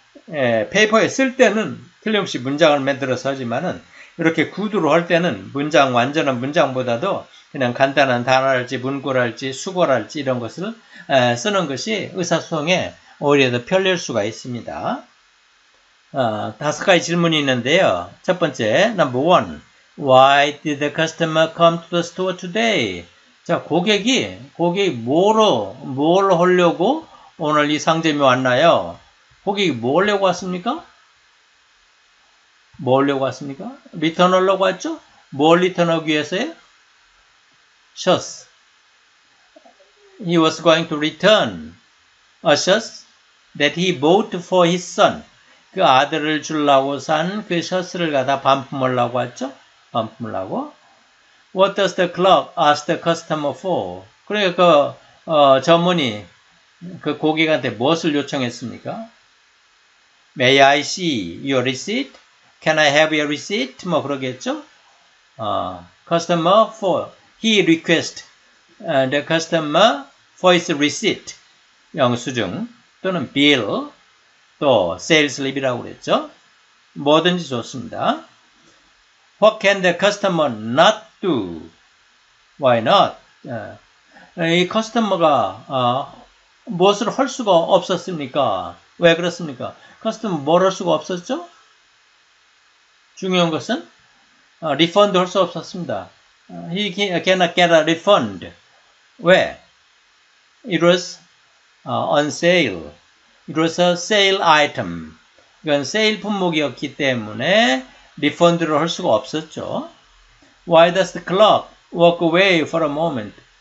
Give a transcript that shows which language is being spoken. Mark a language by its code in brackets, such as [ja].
[ko] 페이퍼에 쓸 때는 틀림없이 문장을 만들어서 하지만은 이렇게 구두로 할 때는 문장 완전한 문장보다도 그냥 간단한 단어랄지 문구랄지 수거랄지 이런 것을 쓰는 것이 의사소통에 오히려 더 편리할 수가 있습니다. 다섯 가지 질문이 있는데요. 첫 번째, [en] number one, why did the customer come to the store today? [ko] 자, 고객이 뭘 하려고 오늘 이 상점에 왔나요? 고객이 뭘 하려고 왔습니까? 뭐 하려고 왔습니까? 리턴하려고 왔죠? 뭘 리턴하기 위해서요? 셔츠. [en] He was going to return a shirt that he bought for his son. [ko] 그 아들을 주려고 산 그 셔츠를 갖다 반품하려고 왔죠? 반품하려고. [en] What does the clerk ask the customer for? [ko] 그러니까 전문의, 그 고객한테 무엇을 요청했습니까? [en] May I see your receipt? Can I have your receipt? [ko] 뭐 그러겠죠? [en] Customer for, he request the customer for his receipt. [ko] 영수증 또는 bill 또 sales slip이라고 그랬죠? 뭐든지 좋습니다. [en] What can the customer not do? Why not? [ko] 이 커스터머가 무엇을 할 수가 없었습니까? 왜 그렇습니까? 커스터머 뭘할 수가 없었죠? 중요한 것은 리펀드 할 수 없었습니다. [en] He cannot get a refund. [ko] 왜? [en] It was on sale. It was a sale item. [ko] 이건 세일 품목이었기 때문에 리펀드를 할 수가 없었죠. [en] Why does the clerk walk away for a moment?